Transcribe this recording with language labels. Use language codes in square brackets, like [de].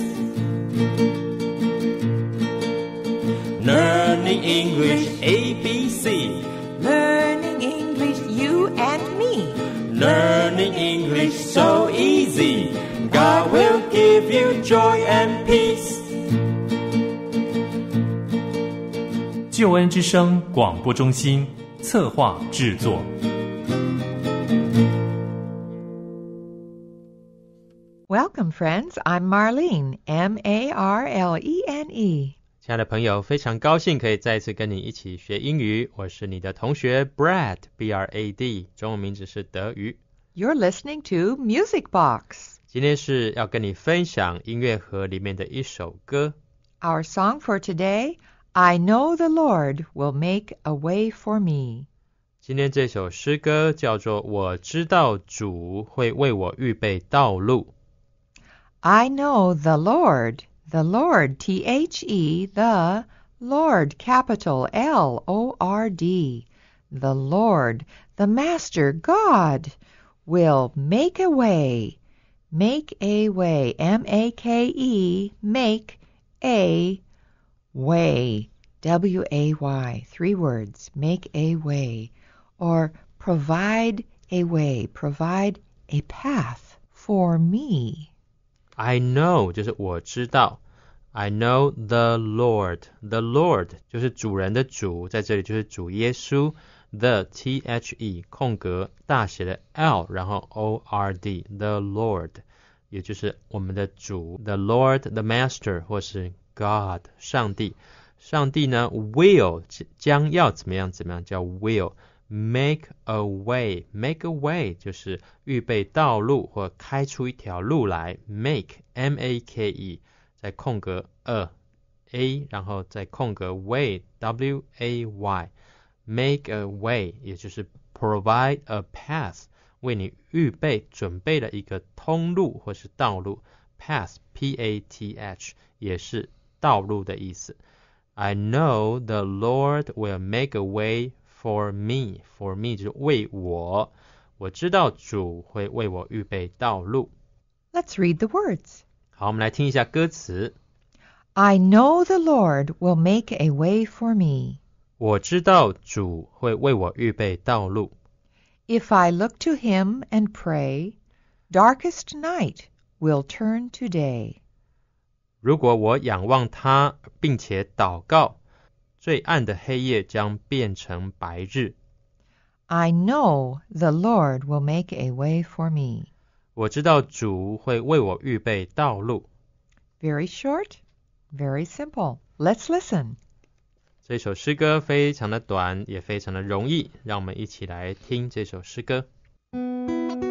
[en] Learning English ABC. Learning English you and me. Learning English so easy. God will give you joy and peace. [zh] 救恩之声广播中心策划制作。 [en] Welcome, friends. I'm Marlene. M-A-R-L-E-N-E. [zh] 亲爱的朋友，非常高兴可以再次跟你一起学英语。我是你的同学 Brad, B-R-A-D, 中文名字是德瑜。 [en] You're listening to Music Box. [zh] 今天是要跟你分享音乐盒里面的一首歌。 [en] Our song for today, I Know the Lord Will Make a Way for Me. [zh] 今天这首诗歌叫做我知道主会为我预备道路。 [en] I know the Lord, the Lord, T-H-E, the Lord, capital L-O-R-D, the Lord, the Master God, will make a way, make a way, M-A-K-E, make a way, W-A-Y, three words, make a way, or provide a way, provide a path for me. I know, [zh] 就是我知道。 [en] I know the Lord. The Lord, [zh] 就是主人的主，在这里就是主耶稣。 The, T-H-E, 空格大写的 L, 然后 O-R-D, [en] the Lord, [zh] 也就是我们的主。 [en] The Lord, the Master, [zh] 或是 [en] God, [zh] 上帝。上帝呢 will, 将要怎么样怎么样叫 will, [en] make a way, make a way, [zh] 就是预备道路或开出一条路来 make, M-A-K-E, 再空格 a, 然后再空格 way, W-A-Y, make a way, 也就是 [en] provide a path, [zh] 为你预备准备了一个通路或是道路 path, P-A-T-H, 也是道路的意思。 [en] I know the Lord will make a way for me [zh] 就是为我我知道主会为我预备道路。 [en] Let's read the words. [zh] 好，我们来听一下歌词。 [en] I know the Lord will make a way for me. [zh] 我知道主会为我预备道路。 [en] If I look to him and pray, darkest night will turn to day. [zh] 如果我仰望他并且祷告，最暗的黑夜将变成白日。 [en] I know the Lord will make a way for me. [zh] 我知道主会为我预备道路。 [en] Very short, very simple. Let's listen. [zh] 这首诗歌非常的短，也非常的容易，让我们一起来听这首诗歌。